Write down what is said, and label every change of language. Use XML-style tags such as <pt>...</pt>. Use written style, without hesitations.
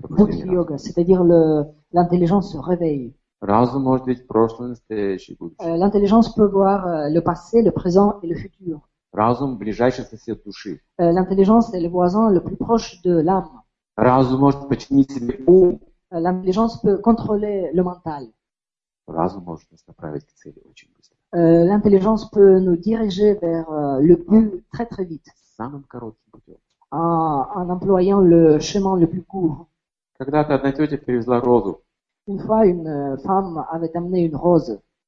<fr>Будхи-йога, c'est-à-dire l'intelligence se réveille.</fr> <ru>Разум может видеть прошлое, настоящее, будущее.</ru> <fr>L'intelligence peut voir le passé, le présent et le futur.</fr> <ru>Разум ближайший сосед души.</ru> <fr>L'intelligence est le voisin le plus proche de l'âme.</fr> <ru>Разум может подчинить себе ум.</ru> <fr>L'intelligence peut contrôler le mental.</fr> <ru>Разум может нас направить к цели очень быстро.</ru> <fr>L'intelligence peut nous diriger vers le but très très vite.</fr> <ru>Самым коротким путем.</ru> <fr>En employant le chemin le plus court.</fr> <ru>Когда-то одна тетя привезла розу.</ru> <fr>Une fois, une femme avait amené une rose.</fr>